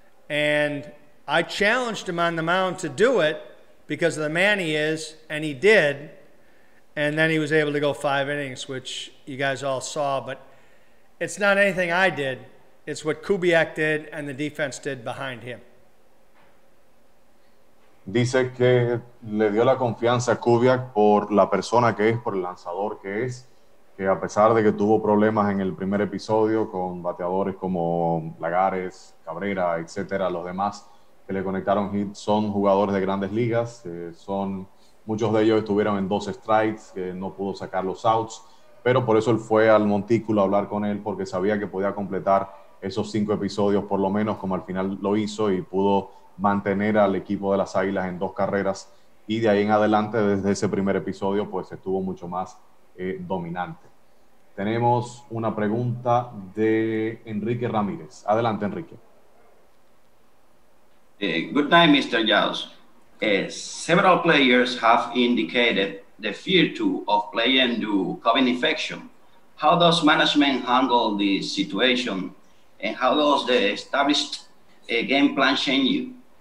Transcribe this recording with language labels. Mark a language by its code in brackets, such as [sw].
[en] And I challenged him on the mound to do it because of the man he is, and he did. And then he was able to go 5 innings, which you guys all saw. But it's not anything I did. It's what Kubiak did and the defense did behind him. [es] Dice que le dio la confianza a Kubiak por la persona que es, por el lanzador que es, que a pesar de que tuvo problemas en el primer episodio con bateadores como Lagares, Cabrera, etcétera, los demás que le conectaron hit son jugadores de grandes ligas, son muchos de ellos estuvieron en dos strikes, que no pudo sacar los outs, pero por eso él fue al montículo a hablar con él, porque sabía que podía completar esos cinco episodios, por lo menos como al final lo hizo y pudo mantener al equipo de las Águilas en dos carreras, y de ahí en adelante, desde ese primer episodio, pues estuvo mucho más dominante. Tenemos una pregunta de Enrique Ramírez. Adelante, Enrique. [en] Good night, Mr. Giles. Several players have indicated the fear too of playing due COVID infection. How does management handle this situation, and how does the established game plan change you?